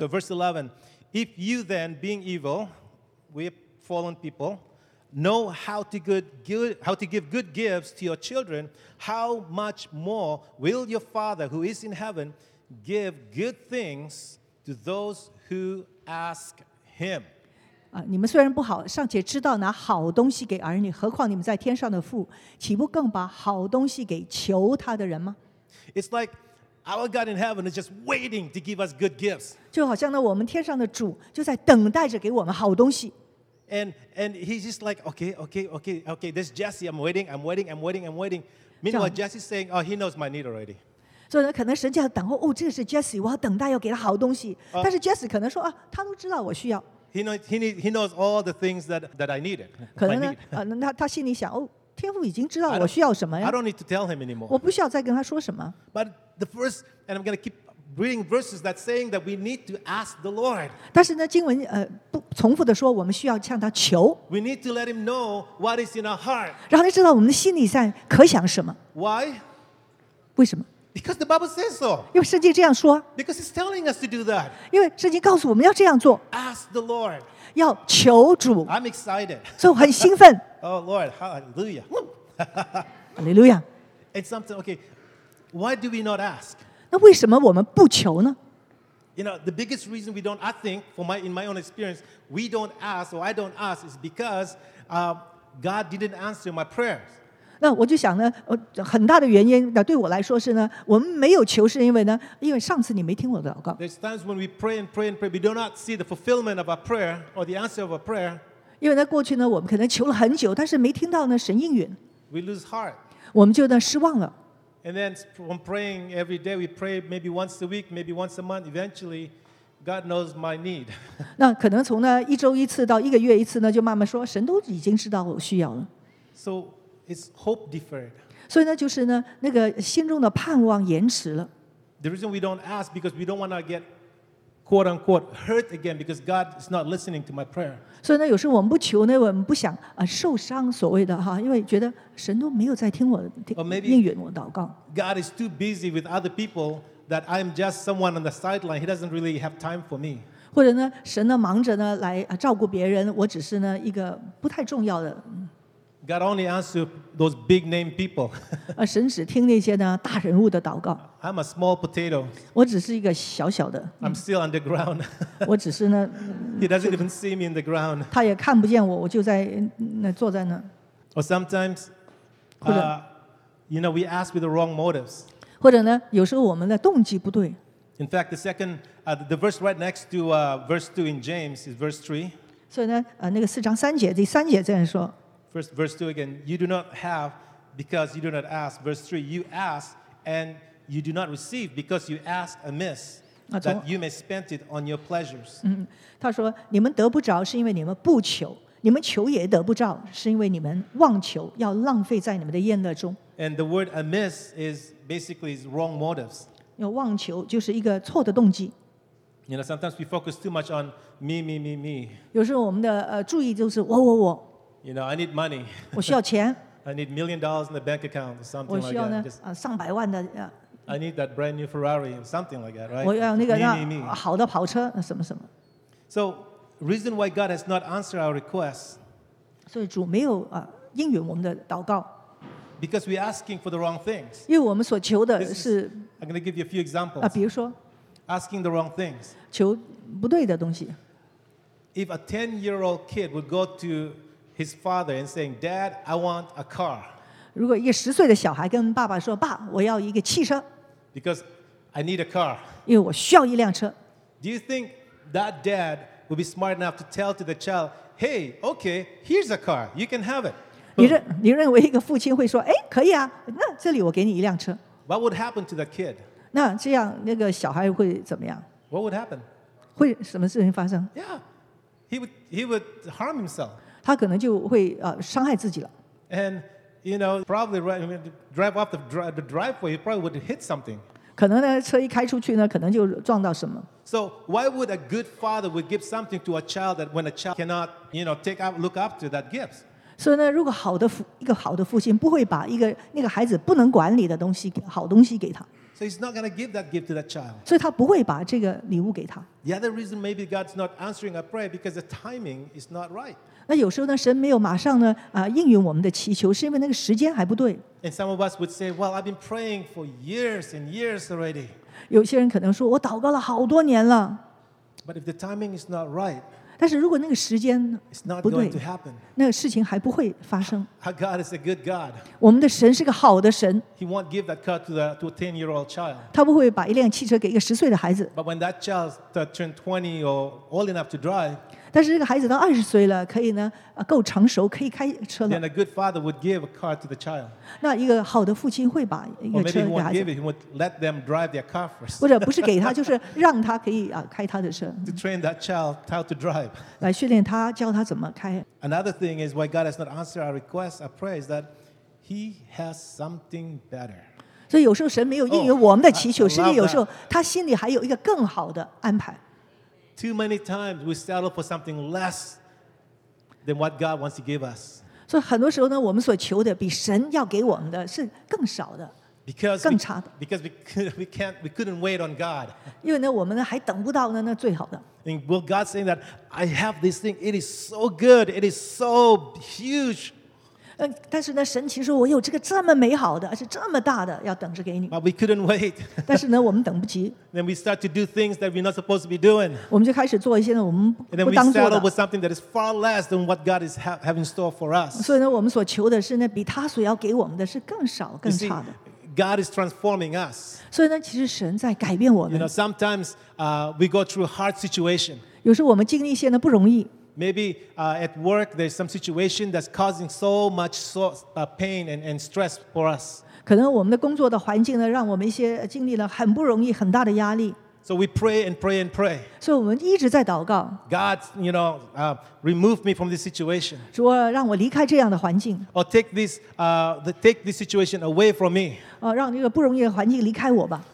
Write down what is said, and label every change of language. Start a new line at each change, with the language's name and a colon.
English: So verse 11, if you then, being evil, we are fallen people, know how to give good gifts to your children, how much more will your Father who is in heaven give good things to those who ask him.
Chinese: 你们虽然不好，尚且知道拿好东西给儿女，何况你们在天上的父，岂不更把好东西给求他的人吗？
English: It's like our God in heaven is just waiting to give us good gifts.
Chinese: 就好像呢，我们天上的主就在等待着给我们好东西。
English: And he's just like, okay, this Jesse, I'm waiting. Meanwhile, Jesse's saying, oh, he knows my need already.
Chinese: 所以呢，可能神就要等候，哦，这是Jesse， 我要等待要给他好东西。但是Jesse可能说啊，他都知道我需要。
English: He knows all the things that I needed.
Chinese: 可能呢，他心里想，哦，天父已经知道我需要什么呀。
English: I don't need to tell him anymore.
Chinese: 我不需要再跟他说什么。
English: But the first, and I'm going to keep reading verses that saying that we need to ask the Lord.
Chinese: 但是呢，经文不重复的说，我们需要向他求。
English: We need to let him know what is in our heart.
Chinese: 让他知道我们的心里在可想什么。
English: Why?
Chinese: 为什么？
English: Because the Bible says so.
Chinese: 因为圣经这样说。
English: Because it's telling us to do that.
Chinese: 因为圣经告诉我们要这样做。
English: Ask the Lord.
Chinese: 要求主。
English: I'm excited.
Chinese: 所以我很兴奋。
English: Oh Lord, hallelujah. Hallelujah. It's something. Okay, why do we not ask?
Chinese: 那为什么我们不求呢？
English: You know, the biggest reason we don't, I think, for my, in my own experience, we don't ask, or I don't ask, is because God didn't answer my prayers.
Chinese: 那我就想呢，很大的原因，那对我来说是呢，我们没有求是因为呢，因为上次你没听我的祷告。
English: There's times when we pray and pray and pray, we do not see the fulfillment of our prayer or the answer of our prayer.
Chinese: 因为在过去呢，我们可能求了很久，但是没听到呢神应允。
English: We lose heart.
Chinese: 我们就呢失望了。
English: And then from praying every day, we pray maybe once a week, maybe once a month. Eventually, God knows my need.
Chinese: 那可能从呢一周一次到一个月一次呢，就慢慢说，神都已经知道我需要了。
English: So it's hope deferred.
Chinese: 所以呢，就是呢那个心中的盼望延迟了。
English: The reason we don't ask because we don't want to get quote unquote hurt again because God is not listening to my prayer.
Chinese: 所以呢，有时我们不求呢，我们不想受伤，所谓的哈，因为觉得神都没有在听我应允我祷告。
English: God is too busy with other people that I'm just someone on the sideline. He doesn't really have time for me.
Chinese: 或者呢，神呢忙着呢来照顾别人，我只是呢一个不太重要的。
English: God only answers those big name people.
Chinese: 神只听那些呢大人物的祷告。
English: I'm a small potato.
Chinese: 我只是一个小小的。
English: I'm still underground.
Chinese: 我只是呢。
English: He doesn't even see me in the ground.
Chinese: 他也看不见我，我就在那坐在那。
English: Or sometimes, you know, we ask with the wrong motives.
Chinese: 或者呢，有时候我们的动机不对。
English: In fact, the second, the verse right next to verse 2 in James is verse 3.
Chinese: 所以呢，那个四章三节，第三节这样说。
English: First, verse 2 again. You do not have because you do not ask. Verse 3, you ask and you do not receive because you ask amiss that you may spend it on your pleasures.
Chinese: 他说你们得不着是因为你们不求，你们求也得不着是因为你们妄求，要浪费在你们的宴乐中。
English: And the word amiss is basically is wrong motives.
Chinese: 妄求就是一个错的动机。
English: You know, sometimes we focus too much on me, me, me, me.
Chinese: 有时候我们的注意就是我我我。
English: You know, I need money.
Chinese: 我需要钱。
English: I need $1 million in the bank account, or something like that.
Chinese: 我需要呢，上百万的。
English: I need that brand new Ferrari, something like that, right?
Chinese: 我要那个好的跑车，什么什么。
English: So, reason why God has not answered our requests.
Chinese: 所以主没有应允我们的祷告。
English: Because we're asking for the wrong things.
Chinese: 因为我们所求的是。
English: I'm going to give you a few examples.
Chinese: 比如说。
English: Asking the wrong things.
Chinese: 求不对的东西。
English: If a 10-year-old kid would go to his father and saying, "Dad, I want a car."
Chinese: 如果一个十岁的小孩跟爸爸说，爸，我要一个汽车。
English: Because I need a car.
Chinese: 因为我需要一辆车。
English: Do you think that dad would be smart enough to tell to the child, "Hey, okay, here's a car. You can have it."
Chinese: 你认为一个父亲会说，哎，可以啊，那这里我给你一辆车。
English: What would happen to the kid?
Chinese: 那这样那个小孩会怎么样？
English: What would happen?
Chinese: 会什么事情发生？
English: Yeah, he would harm himself.
Chinese: 他可能就会伤害自己了。
English: And you know, probably drive off the driveway, you probably would hit something.
Chinese: 可能呢，车一开出去呢，可能就撞到什么。
English: So why would a good father would give something to a child that when a child cannot, you know, take up look up to that gifts?
Chinese: 所以呢，如果一个好的父亲不会把一个那个孩子不能管理的东西好东西给他。
English: So he's not going to give that gift to that child.
Chinese: 所以他不会把这个礼物给他。
English: The other reason maybe God's not answering a prayer because the timing is not right.
Chinese: 那有时候呢，神没有马上呢应允我们的祈求，是因为那个时间还不对。
English: And some of us would say, "Well, I've been praying for years and years already."
Chinese: 有些人可能说，我祷告了好多年了。
English: But if the timing is not right,
Chinese: 但是如果那个时间不对，
English: it's not going to
Chinese: 那个事情还不会发生。
English: Our God is a good God.
Chinese: 我们的神是个好的神。
English: He won't give that car to a 10-year-old child.
Chinese: 他不会把一辆汽车给一个十岁的孩子。
English: But when that child turns 20 or old enough to drive.
Chinese: 但是这个孩子到二十岁了，可以呢，够成熟，可以开车了。
English: Then a good father would give a car to the child.
Chinese: 那一个好的父亲会把一个车给孩子。
English: Or maybe he won't give it. He would let them drive their car first.
Chinese: 或者不是给他，就是让他可以开他的车。
English: To train that child how to drive.
Chinese: 来训练他，教他怎么开。
English: Another thing is why God has not answered our requests, our prayers, that He has something better.
Chinese: 所以有时候神没有应允我们的祈求，甚至有时候他心里还有一个更好的安排。
English: Too many times we settle for something less than what God wants to give us.
Chinese: 所以很多时候呢，我们所求的比神要给我们的是更少的。
English: Because
Chinese: 更差的。
English: Because we couldn't wait on God.
Chinese: 因为呢，我们呢还等不到呢那最好的。
English: And will God say that I have this thing? It is so good. It is so huge.
Chinese: 但是呢，神其实我有这个这么美好的，而且这么大的，要等着给你。
English: But we couldn't wait.
Chinese: 但是呢，我们等不及。
English: Then we start to do things that we're not supposed to be doing.
Chinese: 我们就开始做一些呢我们不当做的。
English: And then we settle with something that is far less than what God is having store for us.
Chinese: 所以呢，我们所求的是呢比他所要给我们的是更少更差的。
English: God is transforming us.
Chinese: 所以呢，其实神在改变我们。
English: You know, sometimes we go through hard situation.
Chinese: 有时候我们经历一些呢不容易。
English: Maybe at work there's some situation that's causing so much pain and stress for us.
Chinese: 可能我们的工作的环境呢，让我们一些经历了很不容易、很大的压力。
English: So we pray and pray and pray.
Chinese: 所以我们一直在祷告。
English: God, you know, remove me from this situation.
Chinese: 主啊，让我离开这样的环境。
English: Or take this situation away from me.
Chinese: 让这个不容易的环境离开我吧。